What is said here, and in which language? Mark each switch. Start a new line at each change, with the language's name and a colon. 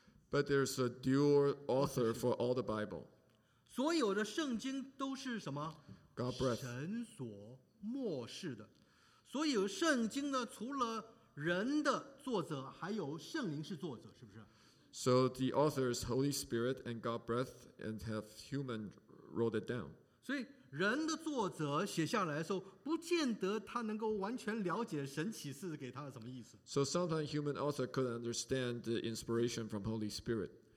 English: But there's a dual author for all the Bible.
Chinese: 所有的圣经都是什么？
English: God breath.
Chinese: 神所默示的。所有圣经呢，除了人的作者，还有圣灵是作者，是不是？
English: So the author is Holy Spirit and God breath and have human wrote it down.
Chinese: 所以人的作者写下来的时候，不见得他能够完全了解神启示给他的什么意思。
English: So sometimes human author could understand the inspiration from Holy Spirit.